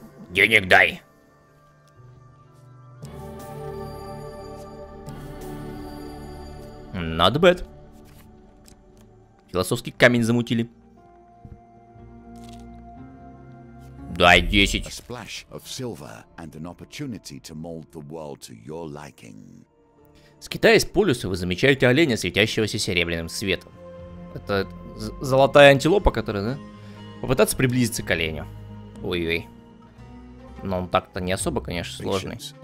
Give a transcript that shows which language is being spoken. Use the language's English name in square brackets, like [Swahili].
[Russian] Денег дай. [English] Not bad. [Russian] Философский камень замутили. Дай 10. [English] A splash of silver and an opportunity to mold the world to your liking. [Russian] Скитаясь по лесу, вы замечаете оленя, светящегося серебряным светом. Это золотая антилопа, которая, да? Попытаться приблизиться к оленю. Ой-ой. Но он так-то не особо, конечно, сложный.